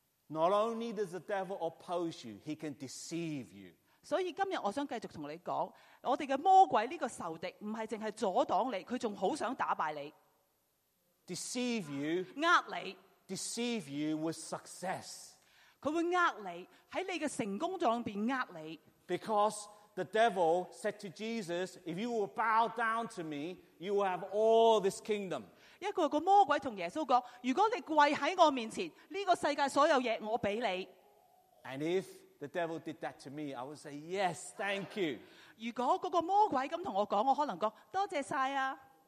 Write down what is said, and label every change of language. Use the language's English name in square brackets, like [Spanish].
[English] Not only does the devil oppose you, he can deceive you. [Chinese] 所以今天我想继续跟你讲，我们的魔鬼这个仇敌，不是只是阻挡你，他还很想打败你。 [English] Deceive you. [Chinese] 骗你。 [English] Deceive you with success. [Chinese] 他会骗你，在你的成功中骗你。 [English] Because the devil said to Jesus, if you will bow down to me, you will have all this kingdom. [Chinese] 一个魔鬼跟耶稣说，如果你跪在我面前，这个世界所有东西我给你。 [English] And if the devil did that to me, I would say, yes, thank you. [Chinese] 如果那个魔鬼这样跟我说，我可能说，多谢了。